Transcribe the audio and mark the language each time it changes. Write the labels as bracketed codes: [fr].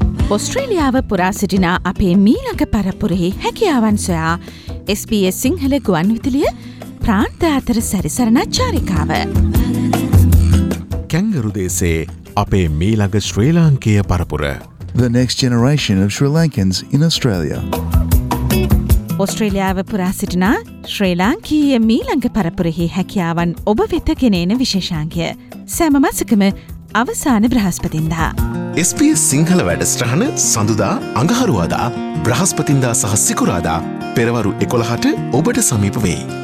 [si] ඔස්ට්‍රේලියාව පුරා සිටින අපේ මීළඟ පරපුරෙහි හැකියාවන් සොයා SBS සිංහල ගුවන්විදුලිය ප්‍රාන්ත අතර සැරිසරන චාරිකාව. කැංගරු දේශයේ අපේ මීළඟ ශ්‍රී ලාංකේය පරපුර. [en] The next generation of Sri Lankans in Australia. [si] ඔස්ට්‍රේලියාව පුරා සිටින ශ්‍රී ලාංකීය මීළඟ පරපුරෙහි හැකියාවන් ඔබ වෙත ගෙන එන විශේෂාංගය. සෑම මාසිකම අවසාන බ්‍රහස්පතින්දා. SBS සිංහල වැඩසටහන සඳුදා අඟහරුවාදා බ්‍රහස්පතින්දා සහ සිකුරාදා පෙරවරු 11ට ඔබට සමීප වෙයි.